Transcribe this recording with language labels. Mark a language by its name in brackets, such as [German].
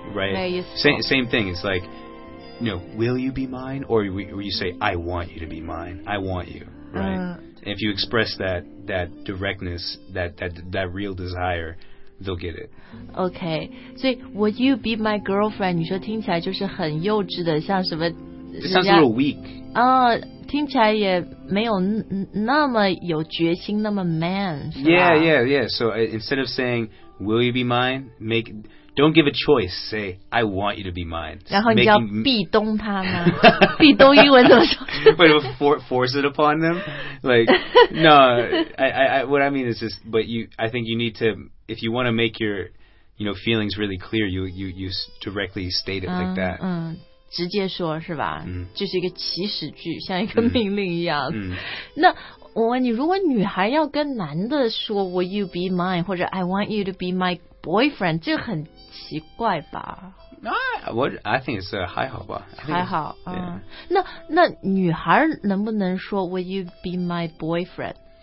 [English] right same thing it's likeno, will you be mine? Or you say, I want you to be mine. I want you, right? If you express that directness, that real desire, they'll get it. Okay. So, would you be my girlfriend? [Chinese] 你说听起来就是很幼稚的,像什么... [English] It sounds a little weak. [Chinese] 听起来也没有那么有决心,那么 man, 是吧? [English] Yeah. So, instead of saying, will you be mine? Make... Don't give a choice. Say, I want you to be mine. [Chinese] 然后你就要壁咚他吗？壁咚英文怎么说？ [English] But force it upon them? Like, no. I, what I mean is just, but you, I think you need to, if you want to make your, you know, feelings really clear, you directly state it like that. [Chinese] 直接说是吧？就是一个祈使句，像一个命令一样。那我问你，如果女孩要跟男的说 [English] Will you be mine [Chinese] 或者 [English] I want you to be my boyfriend， [Chinese] 这很奇怪吧？ [English] I think it's [Chinese] 还好吧，还好。 [English] Yeah. [Chinese] 那女孩能不能说 [English] Will you be my boyfriend？